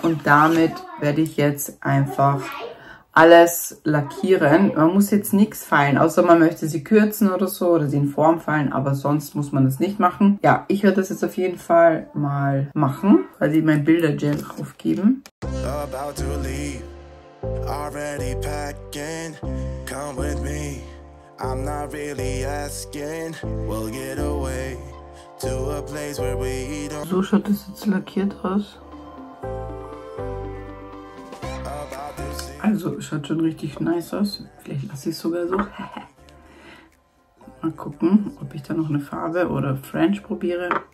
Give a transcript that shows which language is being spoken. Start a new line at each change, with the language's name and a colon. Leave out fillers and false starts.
German: Und damit werde ich jetzt einfach alles lackieren. Man muss jetzt nichts feilen, außer man möchte sie kürzen oder so oder sie in Form feilen, aber sonst muss man das nicht machen. Ja, ich werde das jetzt auf jeden Fall mal machen, weil sie mein Bildergel aufgeben.
English: About to leave, already packing. Come with me, I'm not really asking. We'll get away to a place where we don't.
German: So schaut das jetzt lackiert aus. Also, schaut schon richtig nice aus. Vielleicht lasse ich es sogar so. Mal gucken, ob ich da noch eine Farbe oder French probiere.